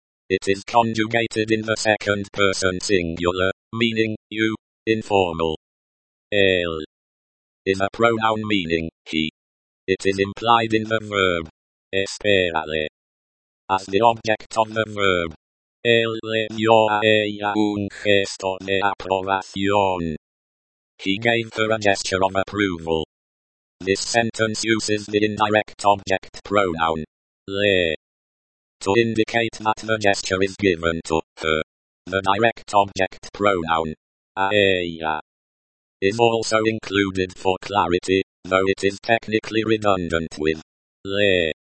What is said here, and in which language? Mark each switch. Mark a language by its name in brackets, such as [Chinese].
[English] It is conjugated in the second person singular, meaning, you, informal. Él is a pronoun meaning, he. It is implied in the verb, espérale, as the object of the verb. [Spanish] Él le dio a ella un gesto de aprobación. [English] He gave her a gesture of approval. This sentence uses the indirect object pronoun, le, to indicate that the gesture is given to her. The direct object pronoun, a ella, is also included for clarity, though it is technically redundant with le.